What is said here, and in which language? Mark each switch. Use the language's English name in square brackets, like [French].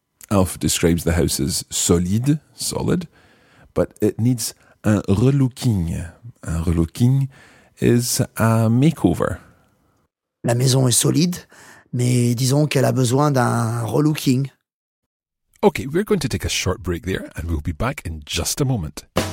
[English] Alf describes the house as solide, solid, but it needs un relooking. Un relooking is a makeover. [French] La maison est solide, mais disons qu'elle a besoin d'un relooking. [English] Okay, we're going to take a short break there, and we'll be back in just a moment.